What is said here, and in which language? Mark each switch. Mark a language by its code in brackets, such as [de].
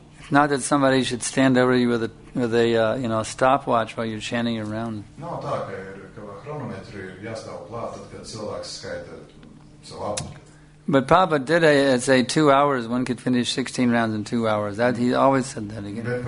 [en] Not that somebody should stand over you with a stopwatch while you're chanting your round. [lv] No, tā, ka chronometri ir jāstāv klāt, tad, kad cilvēks skaita savu apli. [en] But Prabhupada did say 2 hours, one could finish 16 rounds in 2 hours. That, he always said that again.